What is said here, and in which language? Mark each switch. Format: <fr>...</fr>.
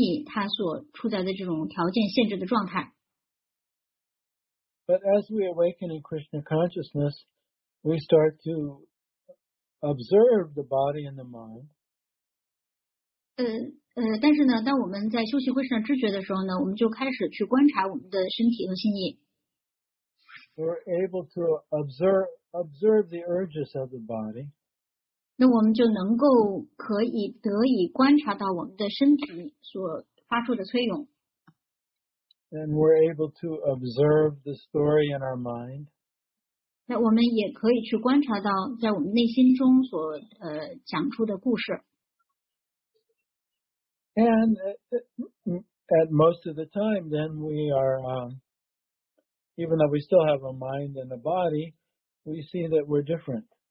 <zh>那么因为我们只要有我们的这个躯体跟心意的这个限制，那我们就总是会有身体所发出的催涌，以及呢，就是我们的这个心意它所处在的这种条件限制的状态。</zh> <en>But as we awaken in Krishna consciousness, we start to observe the body and the mind.</en> <zh>但是呢，当我们在修习慧上知觉的时候呢，我们就开始去观察我们的身体和心意。</zh> <en>We're able to observe the urges of the body.</en> <zh>那我们就能够可以得以观察到我们的身体所发出的催涌。</zh> <en>And we're able to observe the story in our mind.</en> <zh>那我们也可以去观察到在我们内心中所讲出的故事。</zh> <en>And at most of the time, then we are, even though we still have a mind and a body, we see that we're different.</en>